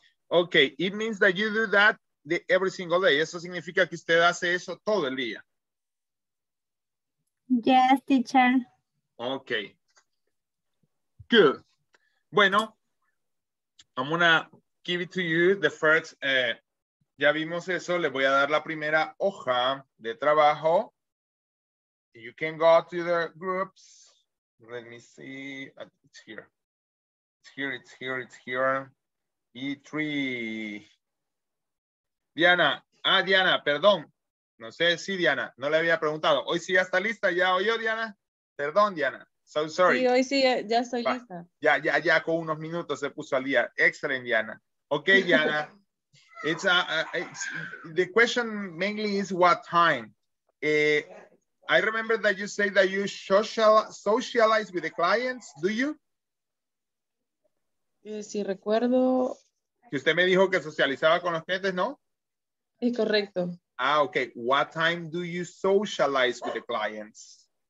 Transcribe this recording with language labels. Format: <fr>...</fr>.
<en>Okay, it means that you do that de every single day.</en> <es>Eso significa que usted hace eso todo el día.</es> <en>Yes, teacher. Ok. Good. Bueno, I'm gonna give it to you the first.</en> <es>Ya vimos eso. Le voy a dar la primera hoja de trabajo.</es> <en>You can go to the groups. Let me see. It's here. It's here, it's here, it's here. E3.</en> <es>Diana, ah, Diana, perdón. No sé si sí, Diana, no le había preguntado. Hoy sí ya está lista, ya oyó Diana.</es> <en>Perdón, Diana. So sorry.</en> <es>Sí, hoy sí ya estoy va. Lista. Ya, ya, ya con unos minutos se puso al día.</es> <en>Excelente, Diana. Ok, Diana. The question mainly is what time? I remember that you say that you socialize with the clients. Do you?</en> <es>Sí, recuerdo. Que usted me dijo que socializaba con los clientes, ¿no? Es correcto.</es> <en>Ah, okay. What time do you socialize with the clients?</en>